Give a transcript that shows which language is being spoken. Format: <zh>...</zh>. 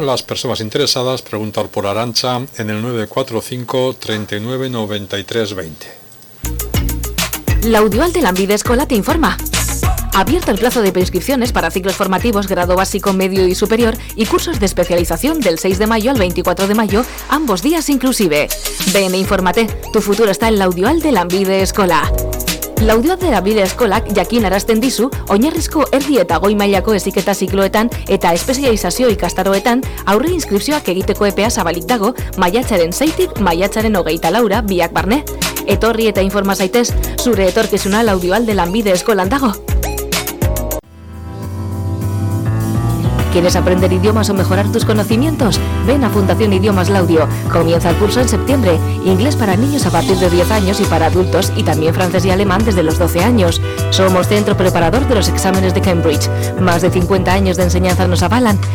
<es>Las personas interesadas, preguntar por Arancha en el 945-399320. La audioal de Lambide Escola te informa. Abierto el plazo de preinscripciones para ciclos formativos, grado básico, medio y superior y cursos de especialización del 6 de mayo al 24 de mayo, ambos días inclusive. Ven e infórmate, tu futuro está en la audioal de Lambide Escola.</es> <eu>Laudioa de la Bile Eskolak jakin arazten dizu, oinarrizko erdi eta goi mailako eziketa zikloetan eta espezializazio ikastaroetan aurre inskripzioak egiteko epea zabalik dago maiatzaren 6-tik maiatzaren 24-ra biak barne. Etorri eta informa zaitez, zure etorkizuna Laudioa de la Bile Eskolan dago.</eu> <es>¿Quieres aprender idiomas o mejorar tus conocimientos? Ven a Fundación Idiomas Laudio. Comienza el curso en septiembre. Inglés para niños a partir de 10 años y para adultos, y también francés y alemán desde los 12 años. Somos centro preparador de los exámenes de Cambridge. Más de 50 años de enseñanza nos avalan.</es>